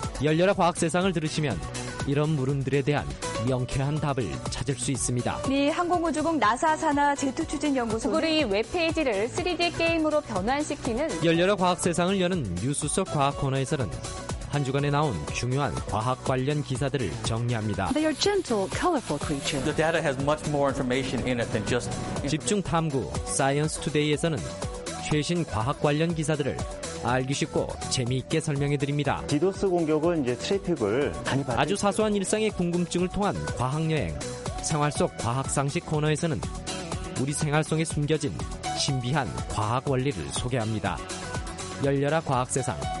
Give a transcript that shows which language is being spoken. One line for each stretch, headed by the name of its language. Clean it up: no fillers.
Korean: 열렬한 과학 세상을 들으시면 이런 물음들에 대한 명쾌한 답을 찾을 수 있습니다. 미 항공우주국 나사 산하 제트추진연구소 구글의 웹페이지를 3D 게임으로 변환시키는 열렬한 과학 세상을 여는 뉴스 속 과학 코너에서는 한 주간에 나온 중요한 과학 관련 기사들을 정리합니다.
English: They are gentle, colorful creatures. The data has much more information in it than just
Korean: 집중 탐구 사이언스 투데이에서는 최신 과학 관련 기사들을 알기 쉽고 재미있게 설명해 드립니다. 디도스 공격은 이제 트래픽을 많이 받아 아주 사소한 일상의 궁금증을 통한 과학 여행, 생활 속 과학 상식 코너에서는 우리 생활 속에 숨겨진 신비한 과학 원리를 소개합니다. 열려라 과학 세상.